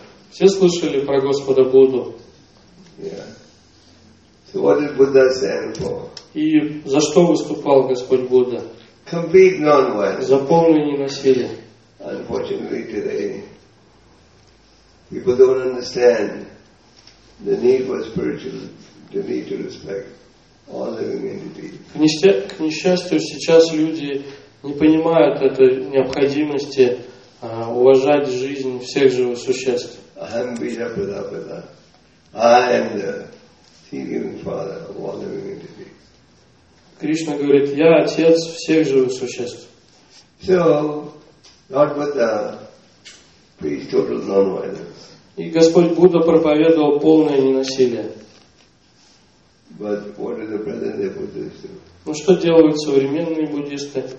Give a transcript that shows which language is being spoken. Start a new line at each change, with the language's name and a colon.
Russian: Все слышали про Господа Будду?
English: So what did Buddha stand for?
Russian: И за что выступал Господь Будда?
English: Complete non-violence.
Russian: За полное ненасилие.
English: Unfortunately today, people don't understand the need for spiritual, the need to respect all living entities.
Russian: К несчастью, сейчас люди не понимают этой необходимости уважать жизнь всех живых существ.
Sanskrit: Aham Bija Pradapada.
English: I am the Seeking Father of all living entities.
Russian: Кришна говорит, я отец всех живых существ.
English: So, Lord Buddha preached total non-violence.
Russian: И Господь Будда проповедовал полное ненасилие.
English: But what are the present Buddhists doing?
Russian: Ну что делают современные буддисты?